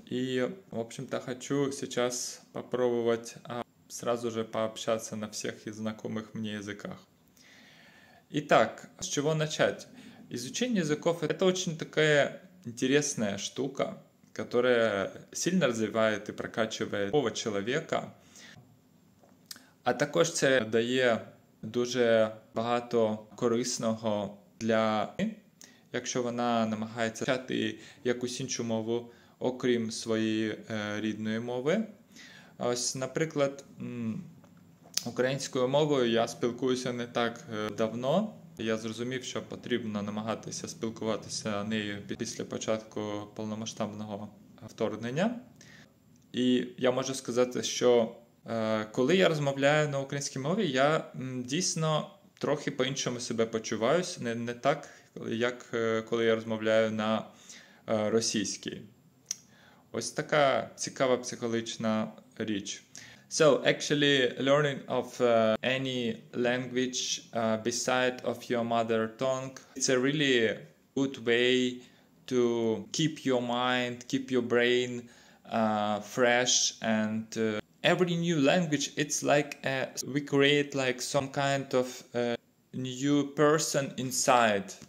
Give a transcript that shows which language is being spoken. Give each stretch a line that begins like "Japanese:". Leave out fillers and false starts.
Russian: И, в общем-то, хочу сейчас попробовать сразу же пообщаться на всех знакомых мне языках. Итак, с чего начать? Изучение языков — это очень такая интересная штука, которая сильно развивает и прокачивает любого человека.
Ukrainian: А також це дає дуже багато корисного для людини, якщо вона намагається вчати якусь іншу мову, окрім своєї рідної мови. Ось, наприклад, українською мовою я спілкуюся не так давно. Я зрозумів, що потрібно намагатися спілкуватися нею після початку повномасштабного вторгнення. І я можу сказати, що коли я розмовляю на українській мові, я дійсно трохи по-іншому себе почуваюся, не так, як коли я розмовляю на російській. Ось така цікава психологічна річ.
English: So, actually, learning of any language beside of your mother tongue, it's a really good way to keep your mind, keep your brain fresh. And every new language, it's like we create like some kind of new person inside.